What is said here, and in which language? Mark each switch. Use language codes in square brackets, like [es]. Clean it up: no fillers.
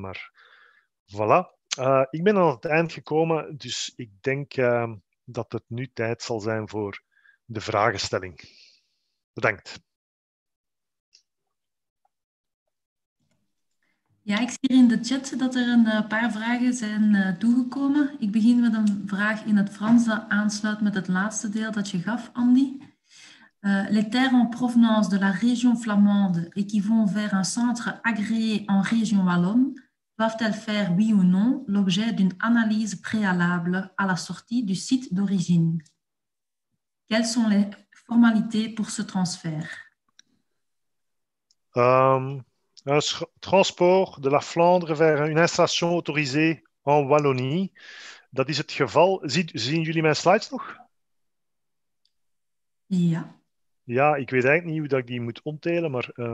[nl] Maar voilà, ik ben aan het eind gekomen, dus ik denk dat het nu tijd zal zijn voor de vragenstelling. Bedankt. Ja, ik zie in de chat dat er een paar vragen zijn toegekomen. Ik begin met een vraag in het Frans dat aansluit met het laatste deel dat je gaf, Andy. [fr] Les terres en provenance de la région flamande et qui vont vers un centre agréé en région wallonne doivent-elles faire, oui ou non, l'objet d'une analyse préalable à la sortie du site d'origine? Quelles sont les formalités pour ce transfert? Un transport de la Flandre vers une installation autorisée en Wallonie. [nl] Dat is het geval. Zien jullie mijn slides nog? Ja. Ja, ik weet eigenlijk niet hoe dat ik die moet omtelen, maar...